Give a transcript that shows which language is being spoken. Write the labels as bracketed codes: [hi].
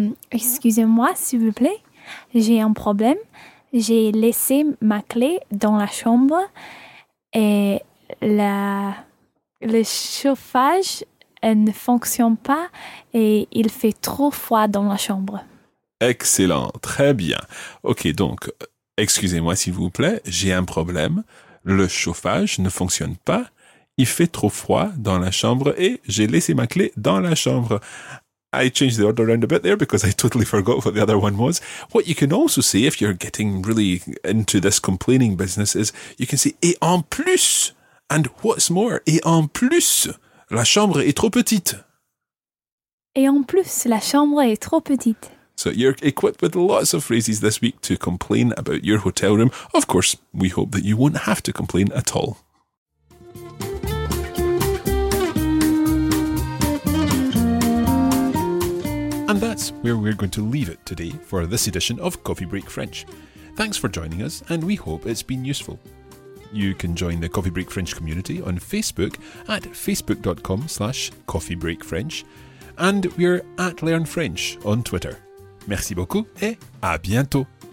[fr] Excusez-moi, s'il vous plaît. J'ai un problème. J'ai laissé ma clé dans la chambre et le chauffage ne fonctionne pas et il fait trop froid dans la chambre. Excellent. Très bien. Okay, donc, excusez-moi, s'il vous plaît. J'ai un problème. Le chauffage ne fonctionne pas. Il fait trop froid dans la chambre et j'ai laissé ma clé dans la chambre. [en] I changed the order around a bit there because I totally forgot what the other one was. What you can also say if you're getting really into this complaining business is you can say [fr] et en plus, [en] and what's more, [fr] et en plus, la chambre est trop petite. Et en plus, la chambre est trop petite. [en] So you're equipped with lots of phrases this week to complain about your hotel room. Of course, we hope that you won't have to complain at all. And that's where we're going to leave it today for this edition of Coffee Break French. Thanks for joining us, and we hope it's been useful. You can join the Coffee Break French community on Facebook at facebook.com/coffeebreakfrench, and we're at Learn French on Twitter. [fr] Merci beaucoup et à bientôt.